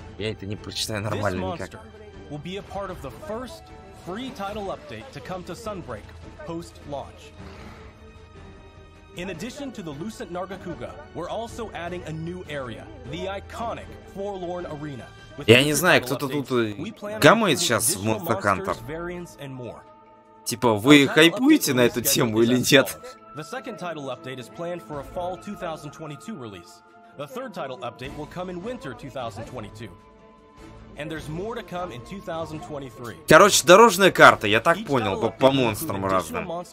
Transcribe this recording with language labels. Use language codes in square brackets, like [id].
[ru] Я это не прочитаю нормально никак. [en] Will be a part of the first free title update to come to Sunbreak post launch. In addition to the Lucent Nargacuga, we're also adding a new area, the iconic Forlorn Arena. [ru] Я не знаю, кто-то тут гамает сейчас в Monster Hunter. Типа, вы хайпуете на эту тему или нет? [en] The second title update is planned for a fall 2022 release. The third title update will come in winter 2022. And there's more to come in 2023. [ru] Короче, дорожная карта, я так понял, по монстрам разным.